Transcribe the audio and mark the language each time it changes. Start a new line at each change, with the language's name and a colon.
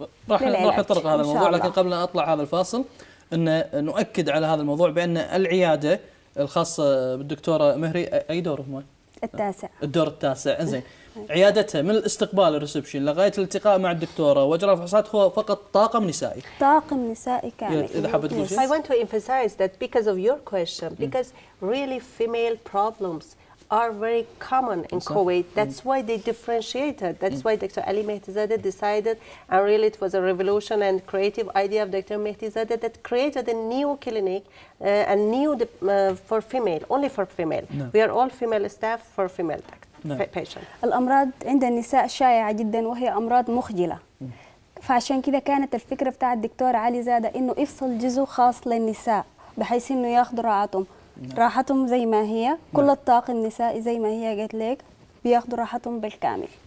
Arabic: راح نطرق هذا الموضوع، لكن قبل أن أطلع هذا الفاصل أن نؤكد على هذا الموضوع بأن العيادة الخاصة بالدكتورة مهري أي دور هما؟ التاسع. الدور التاسع، إنزين. عيادتها من الاستقبال الريسبشن لغايه الالتقاء مع الدكتوره واجراء فحوصات هو فقط طاقم نسائي. طاقم نسائي كامل. اذا حابه تقول
English: شيء. I want to emphasize that because of your question, because really female problems are very common in Kuwait. That's why they differentiated. That's why Dr. Ali Mehtizadeh decided, and really it was a revolution and creative idea of Dr. Mehtizadeh that created a new clinic, a new for female, only for female. We are all female staff for female doctors. No.
Arabic: الأمراض عند النساء شائعة جدا وهي أمراض مخجلة، فعشان كذا كانت الفكرة بتاع الدكتور علي زادة إنه يفصل جزء خاص للنساء بحيث إنه ياخذ راحتهم. راحتهم زي ما هي، كل الطاقة النسائي زي ما هي، قلت لك بياخذوا راحتهم بالكامل.